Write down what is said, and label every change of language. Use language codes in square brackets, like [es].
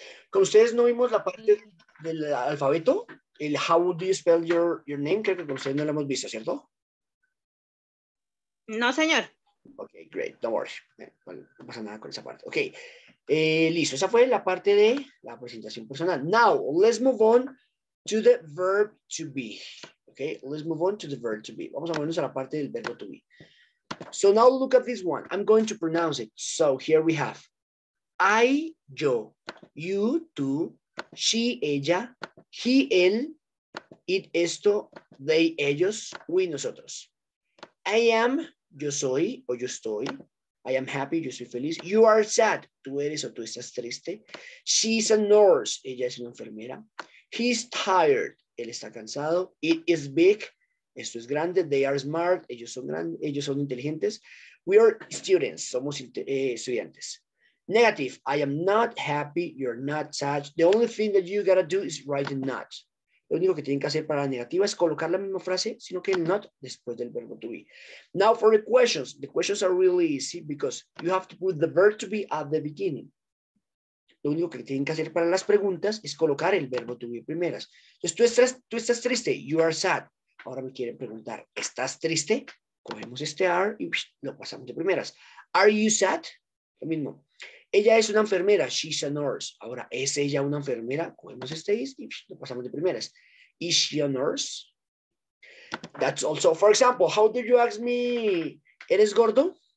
[es] Como ustedes no vimos la parte del alfabeto, el [en] how do you spell your name, [es] creo que con ustedes no lo hemos visto, ¿cierto? No, señor. [en] Ok, great, don't worry. [es] Bueno, no pasa nada con esa parte. Ok, listo. Esa fue la parte de la presentación personal. [en] Now, let's move on to the verb to be. Ok, let's move on to the verb to be. [es] Vamos a movernos a la parte del verbo to be. [en] So now look at this one. I'm going to pronounce it. So here we have I, yo, you, tú, she, ella, he, él, it, esto, they, ellos, we, nosotros. [es] I am, yo soy o yo estoy. [en] I am happy, [es] yo soy feliz. [en] You are sad, [es] tú eres o tú estás triste. [en] She is a nurse, [es] ella es una enfermera. [en] He is tired, [es] él está cansado. [en] It is big. [es] Esto es grande. [en] They are smart. [es] Ellos son inteligentes. [en] We are students. [es] Somos estudiantes. [en] Negative. I am not happy. You're not sad. The only thing that you gotta do is write the not. [es] Lo único que tienen que hacer para la negativa es colocar la misma frase, sino que not después del verbo to be. [en] Now for the questions. The questions are really easy because you have to put the verb to be at the beginning. [es] Lo único que tienen que hacer para las preguntas es colocar el verbo to be primeras. Entonces, tú estás triste. [en] You are sad. [es] Ahora me quieren preguntar, ¿estás triste? Cogemos este are y lo pasamos de primeras. [en] Are you sad? [es] Lo mismo. Ella es una enfermera. [en] She's a nurse. [es] Ahora, ¿es ella una enfermera? Cogemos este is y lo pasamos de primeras. [en] Is she a nurse? That's also, for example, how did you ask me, [es] ¿eres gordo?